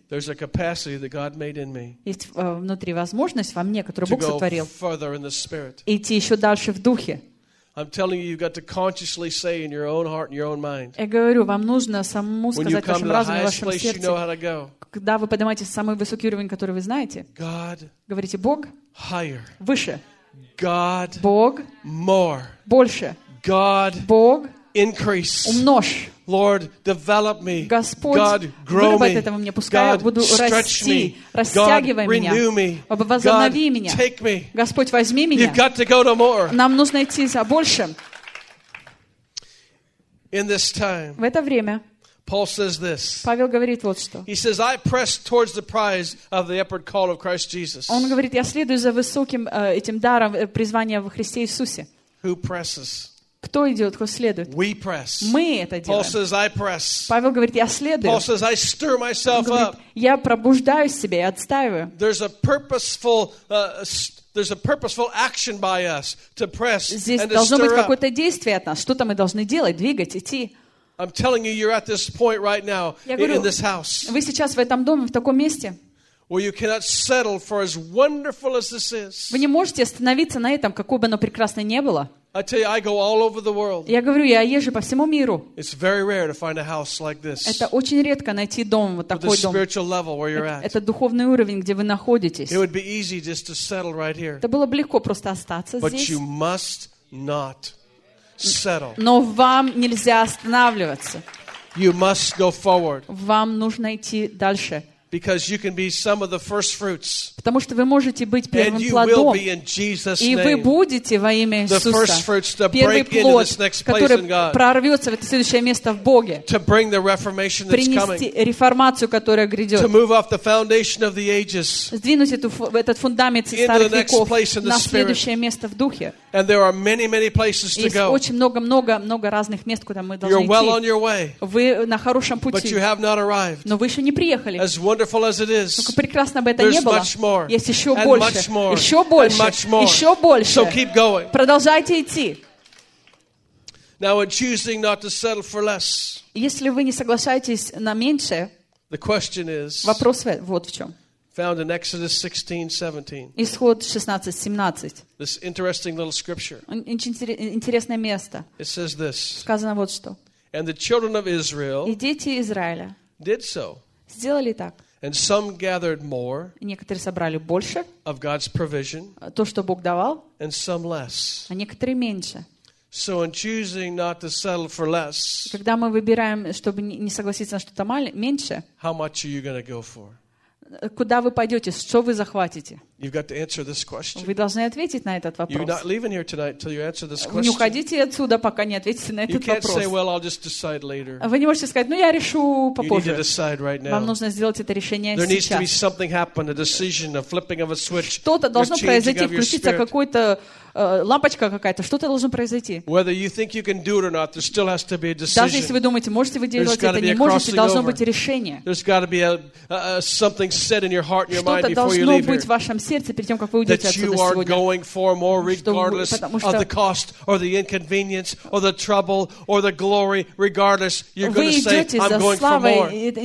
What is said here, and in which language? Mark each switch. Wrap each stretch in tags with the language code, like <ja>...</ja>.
<en>There's a capacity that God made in me.</en> <ru>Есть внутри возможность во мне, которую Бог сотворил.</ru> <en>To go further in the spirit.</en> <ru>Идти еще дальше в духе.</ru> <en>I'm telling you, you've got to consciously say in your own heart and your own mind.</en> <ru>Я говорю, вам нужно самому сказать вашим разумом, вашим сердцем.</ru> <en>You know how to go.</en> <ru>Когда вы поднимаетесь в самый высокий уровень, который вы знаете,</ru> <en>God,</en> <ru>говорите, Бог</ru> <en>higher,</en> <ru>выше,</ru> <en>God,</en> <ru>Бог</ru> <en>more,</en> <ru>больше,</ru> <en>God,</en> <ru>Бог</ru> <en>increase,</en> <ru>умножь.</ru> <en>Lord, develop me.</en> <ru>Господь,</ru> <en>God, grow me.</en> <ru>Выработай это во мне, пускай я буду расти, растягивай меня.</ru> <en>God,</en> <ru>возобнови меня.</ru> <en>Take me.</en> <ru>Господь, возьми меня.</ru> <en>You've got to go to more.</en> <ru>Нам нужно идти за большим.</ru> <en>In this time,</en> <ru>в это время</ru> <en>Paul says this.</en> <ru>Павел говорит вот что.</ru> <en>He says, I press towards the prize of the upward call of Christ Jesus.</en> <ru>Он говорит, я следую за высоким этим даром призвания во Христе Иисусе.</ru> <en>Who presses?</en> <ru>Кто идет, кто следует?</ru> <en>We press.</en> <ru>Мы это делаем.</ru> <en>Paul says, I press.</en> <ru>Павел говорит, я следую.</ru> <en>Paul says, I stir myself up.</en> <ru>Я пробуждаю себя, я отстаиваю.</ru> <en>There's a purposeful There's a purposeful action by us to press and to stir up.</en> <ru>Здесь должно быть какое-то действие от нас. Что-то мы должны делать, двигать, идти.</ru> <en>I'm telling you, you're at this point right now in this house.</en> <ru>Вы сейчас в этом доме, в таком месте.</ru> <en>Well, you cannot settle for as wonderful as this is.</en> <ru>Вы не можете остановиться на этом, какое бы оно прекрасное ни было.</ru> <en>I tell you, I go all over the world.</en> <ru>Я говорю, я езжу по всему миру.</ru> <en>It's very rare to find a house like this.</en> <ru>Это очень редко найти дом вот такой дом.</ru> <en>The spiritual level where you're at.</en> <ru>Это духовный уровень, где вы находитесь.</ru> <en>It would be easy just to settle right here.</en> <ru>Это было бы легко просто остаться здесь.</ru> <en>But you must not settle.</en> <ru>Но вам нельзя останавливаться.</ru> <en>You must go forward.</en> <ru>Вам нужно идти дальше.</ru> <en>Because you can be some of the first fruits.</en> <ru>Потому что вы можете быть первым</ru> <en>and you</en> <ru>плодом.</ru> <en>Will be in Jesus' name.</en> <ru>И вы будете во имя Иисуса.</ru> <en>The first fruits to</en> <ru>Первый</ru> <en>break into this next place in God.</en> <ru>Прорвется в это следующее место в Боге.</ru> <en>To bring the reformation that's coming.</en> <ru>Принести реформацию, которая грядет.</ru> <en>To move off the foundation of the ages.</en> <ru>Сдвинуть этот фундамент старых веков на следующее место в Духе.</ru> <en>And there are many, many places to go.</en> <ru>Есть очень много разных мест, куда мы должны</ru> <en>You're</en> <ru>идти.</ru> <en>Well on your way.</en> <ru>Вы на хорошем пути.</ru> <en>But you have not arrived.</en> <ru>Но вы еще не приехали.</ru> <en>As wonderful as it is,</en> <ru>прекрасно бы это</ru> <en>there's</en> <ru>не было.</ru> <en>Much more,</en> <ru>есть еще</ru> <en>and</en> <ru>больше.</ru> <en>Much more,</en> <ru>еще больше.</ru> <en>And much more.</en> <ru>Еще больше.</ru> <en>So keep going.</en> <ru>Продолжайте идти.</ru> <en>Now, in choosing not to settle for less,</en> <ru>если вы не соглашаетесь на меньшее,</ru> <en>the question is,</en> <ru>вопрос вот в чем.</ru> <en>Found in Exodus 16:17.</en> <ru>Исход 16:17.</ru> <en>This interesting little scripture.</en> <ru>Интересное место.</ru> <en>It says this.</en> <ru>Сказано вот что.</ru> <en>And the children of Israel.</en> <ru>И дети Израиля.</ru> <en>Did so.</en> <ru>Сделали так.</ru> <en>And some gathered more.</en> <ru>Некоторые собрали больше.</ru> <en>Of God's provision.</en> <ru>То, что Бог давал.</ru> <en>And some less.</en> <ru>А некоторые меньше.</ru> <en>So in choosing not to settle for less.</en> <ru>Когда мы выбираем, чтобы не согласиться на что-то меньше.</ru> <en>How much are you going to go for?</en> <ru>Куда вы пойдете? Что вы захватите?</ru> <en>You've got to answer this question.</en> <ru>Вы должны ответить на этот вопрос.</ru> <en>You're not leaving here tonight till you answer this question.</en> <ru>Вы не уходите отсюда, пока не ответите на этот вопрос.</ru> <en>You can't say, well, I'll just decide later.</en> <ru>Вы не можете сказать, ну я решу попозже.</ru> <en>You need to decide right now.</en> <ru>Вам нужно сделать это решение</ru> <en>There</en> <ru>сейчас.</ru> <en>Needs to be something happen, a decision, a flipping of a switch.</en> <ru>Что-то должно произойти, включиться какой-то лампочка какая-то, что-то должно произойти.</ru> <en>Whether you think you can do it or not, there still has to be a decision.</en> <ru>Даже если вы думаете, можете вы делать</ru> <en>There's</en> <ru>это, не можете, должно быть решение.</ru> <en>There's got to be something said in your heart and your mind before you</en> <ru>должно</ru> <en>leave</en> <ru>быть</ru> <en>here.</en> <ru>В вашем сердце перед тем, как вы уйдете отсюда сегодня.</ru> <en>That you are going for more, regardless of the cost or the inconvenience or the trouble or the glory, regardless, you're going to say, I'm going for more.</en>